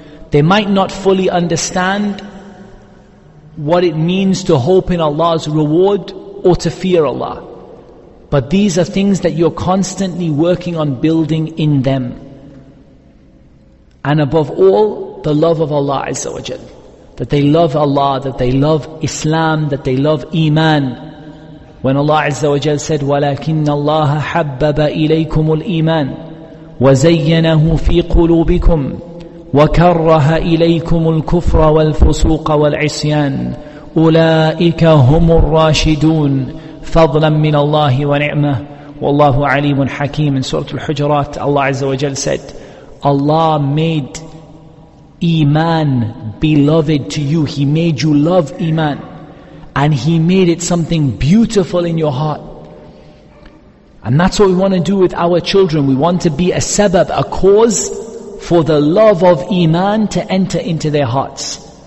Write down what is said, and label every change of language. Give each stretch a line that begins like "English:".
English: They might not fully understand what it means to hope in Allah's reward or to fear Allah. But these are things that you're constantly working on building in them. And above all, the love of Allah Azza wa Jal. That they love Allah, that they love Islam, that they love Iman. When Allah Azza wa Jal said,
Arabic: وَلَكِنَّ اللَّهَ حَبَّبَ إِلَيْكُمُ الْإِيمَانِ وَزَيَّنَهُ فِي قُلُوبِكُمْ وَكَرَّهَ إِلَيْكُمُ الْكُفْرَ وَالْفُسُوقَ وَالْعِصْيَانِ أُولَٰئِكَ هُمُ الرَّاشِدُونَ فَضْلًا مِّنَ اللَّهِ وَنِعْمَهُ وَاللَّهُ عَلِيمٌ حَكِيمٌ.
English: In Surah Al-Hujurat, Allah Azza wa Jal said, Allah made Iman beloved to you. He made you love Iman. And He made it something beautiful in your heart. And that's what we want to do with our children. We want to be a sabab, a cause for the love of Iman to enter into their hearts.